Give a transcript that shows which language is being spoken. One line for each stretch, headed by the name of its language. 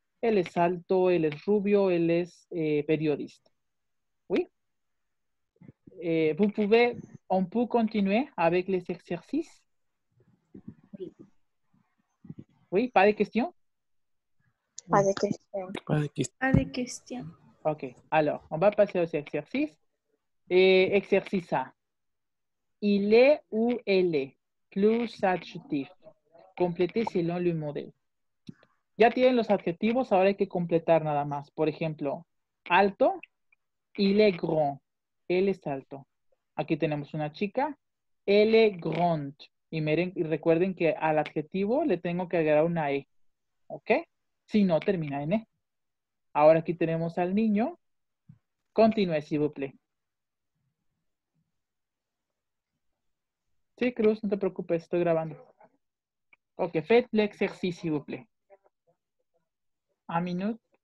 Spanish: Él es alto, él es rubio, él es periodista.
French: Oui. Vous pouvez, on peut continuer avec les exercices. Oui, pas de question? Pas de question. Pas de question. Pas de question. Ok, alors, on va passer aux exercices. Et exercice A. Il est ou elle est? Plus adjectif. Complétez selon le modèle.
Spanish: Ya tienen los adjetivos, ahora hay que completar nada más. Por ejemplo, alto,
French: il est grand.
Spanish: Él es alto. Aquí tenemos una chica,
French: elle est grande.
Spanish: Y miren, y recuerden que al adjetivo le tengo que agregar una E. ¿Ok? Si no, termina en E. Ahora aquí tenemos al niño.
French: Continúe, s'il vous plaît.
Spanish: Sí, Cruz, no te preocupes, estoy grabando.
French: Ok, fait l'exercice, s'il vous plaît.
English: A minute.